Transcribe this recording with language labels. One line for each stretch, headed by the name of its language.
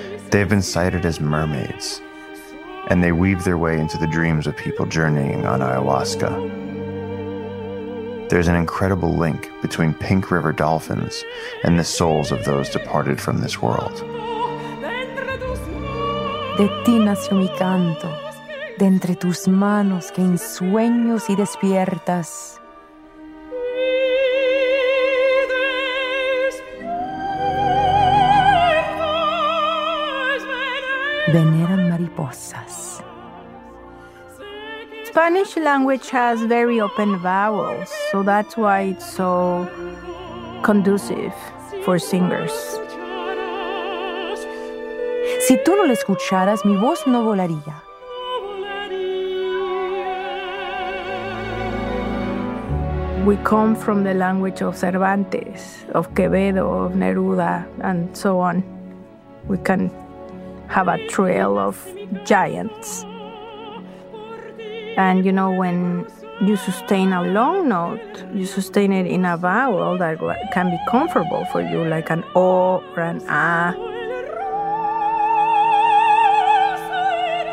English: They have been cited as mermaids, and they weave their way into the dreams of people journeying on ayahuasca. There's an incredible link between pink river dolphins and the souls of those departed from this world.
Spanish: De ti nació mi canto, de entre tus manos que en sueños y despiertas. Veneran mariposas.
English: Spanish language has very open vowels, so that's why it's so conducive for singers.
Spanish: Si tú no lo escucharas, mi voz no volaría.
English: We come from the language of Cervantes, of Quevedo, of Neruda, and so on. We can have a trail of giants. And, you know, when you sustain a long note, you sustain it in a vowel that can be comfortable for you, like an O or an A.